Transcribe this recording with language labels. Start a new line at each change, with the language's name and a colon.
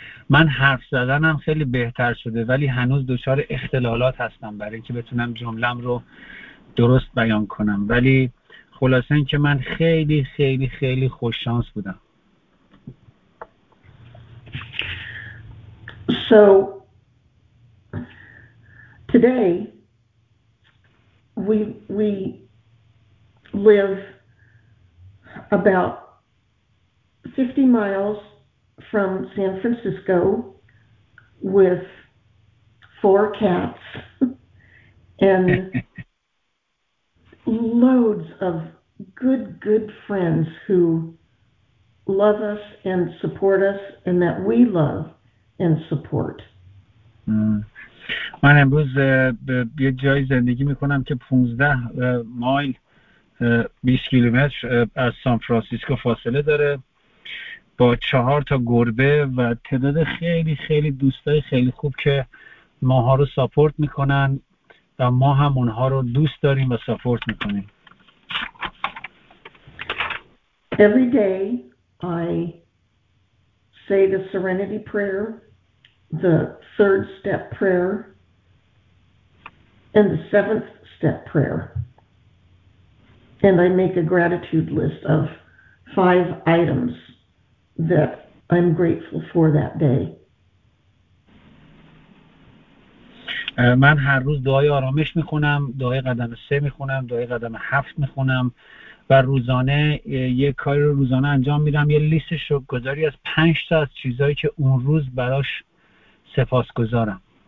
Persian: من حرف زدنم خیلی بهتر شده ولی هنوز دچار اختلالات هستم برای اینکه بتونم جملم رو درست بیان کنم، ولی خلاصه این که من خیلی خیلی خیلی خوششانس بودم.
English: So today we live about 50 miles from San Francisco with four cats and loads of good friends who love us and support us and that we love and support.
Persian: من امروز به یه جای زندگی میکنم که 15 مایل 20 کیلومتر از سان فرانسیسکو فاصله داره با چهار تا گربه و تعداد خیلی خیلی دوستای خیلی خوب که ماها رو ساپورت میکنن و ما هم اونها رو دوست داریم و ساپورت میکنیم.
English: Every day I say the serenity prayer, the third step prayer, and the seventh step prayer. And I make a gratitude list of five items that I'm grateful for that day.
Persian: من هر روز دعای آرامش میخونم، دعای قدم سه میخونم، دعای قدم هفت میخونم و روزانه یه کاری رو روزانه انجام میدم، یه لیست شکرگزاری از پنج تا از چیزایی که اون روز براش سپاسگزارم.